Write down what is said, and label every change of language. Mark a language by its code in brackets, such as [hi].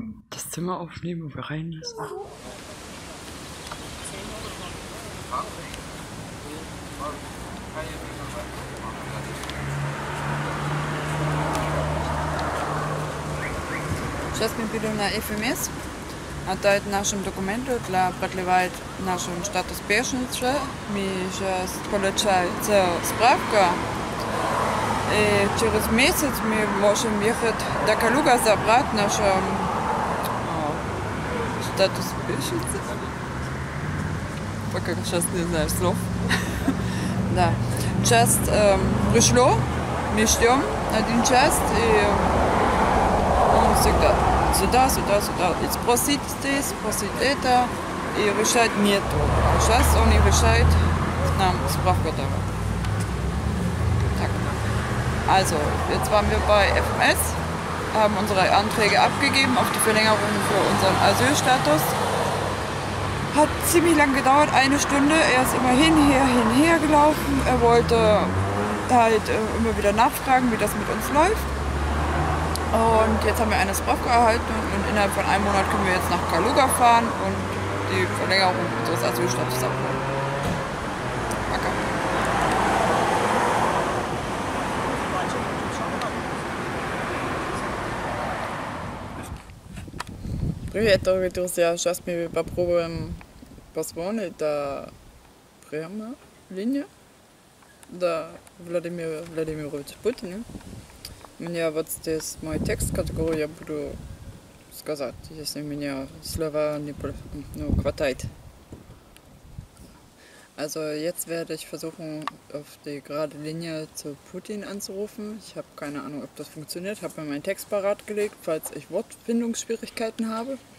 [de] Das Zimmer aufnehmen, wo wir rein ist. Schaust mir bitte nach FMS. [ru] Отдать наши документы для продлевать наш статус беженца. Мы сейчас получаем справку. И через месяц мы можем ехать до Калуга забрать наш статус беженца. Пока сейчас не знаю слов. Да. Сейчас пришло. Мы ждем один час. И он всегда... Сюда. И спросит здесь, спросит это, и решает нету. А сейчас он и решает нам справку того. Так. [de] Also, jetzt waren wir bei FMS, haben unsere Anträge abgegeben auf die Verlängerung für unseren Asylstatus. Hat ziemlich lang gedauert, eine Stunde. Er ist immer hin, her gelaufen. Er wollte halt immer wieder nachfragen, wie das mit uns läuft. Und jetzt haben wir eine Sprache erhalten und innerhalb von einem Monat können wir jetzt nach Kaluga fahren und die Verlängerung unseres Asylstatus abholen. Okay. [ru] Привет, дорогие друзья. Сейчас мы попробуем позвонить до прямо линии до Владимира Владимировича Путина. У меня вот здесь мой текст, который я буду сказать, если у меня слова не хватает. [de] Also jetzt werde ich versuchen, auf die gerade Linie zu Putin anzurufen. Ich habe keine Ahnung, ob das funktioniert. Ich habe mir meinen Text parat gelegt, falls ich Wortfindungsschwierigkeiten habe.